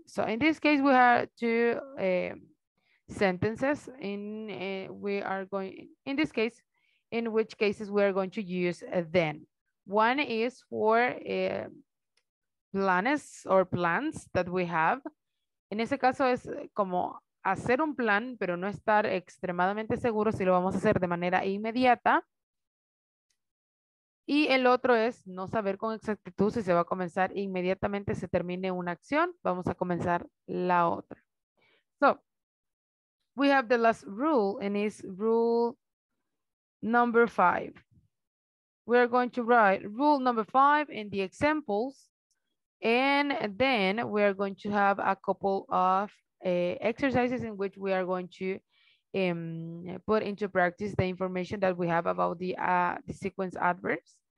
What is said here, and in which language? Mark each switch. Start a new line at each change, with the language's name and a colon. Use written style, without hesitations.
English: So in this case, we have two sentences in we are going in this case, in which cases we are going to use then. One is for planes or plans that we have.
Spanish: In ese caso es como hacer un plan, pero no estar extremadamente seguro si lo vamos a hacer de manera inmediata. Y el otro es no saber con exactitud si se va a comenzar inmediatamente, se termine una acción, vamos a comenzar la otra.
English: So, we have the last rule, and it's rule number five. We're going to write rule number five in the examples, and then we're going to have a couple of exercises in which we are going to put into practice the information that we have about the sequence adverbs.